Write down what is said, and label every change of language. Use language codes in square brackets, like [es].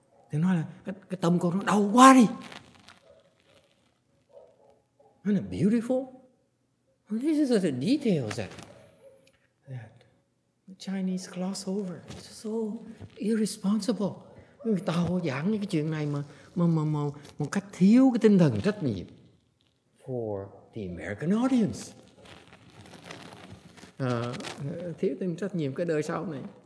[vi] Thì nói là cái tâm con nó đau quá đi. [en] Isn't it beautiful? Well, this is the details that the Chinese gloss over. It's so irresponsible. [vi] Người ta họ giảng những cái chuyện này mà một cách thiếu cái tinh thần trách nhiệm [en] for the American audience. [vi] Thiếu tinh trách nhiệm cái đời sau này.